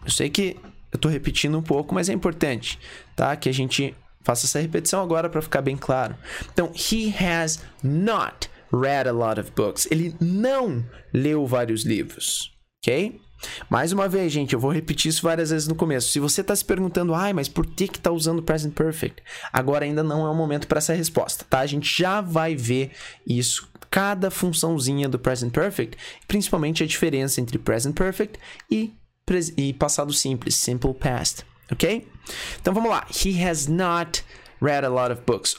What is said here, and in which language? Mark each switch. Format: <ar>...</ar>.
<pt>Eu sei que eu tô repetindo um pouco, mas é importante, tá? Que a gente faça essa repetição agora para ficar bem claro.</pt> <en>Então, he has not read a lot of books.</en> <pt>Ele não leu vários livros, ok? Mais uma vez, gente, eu vou repetir isso várias vezes no começo. Se você está se perguntando, ai, mas por que que está usando o present perfect? Agora ainda não é o momento para essa resposta, tá? A gente já vai ver isso, cada funçãozinha do present perfect, principalmente a diferença entre present perfect e passado simples, simple past, ok? Então vamos lá.</pt> <en>He has not read a lot of books.</en>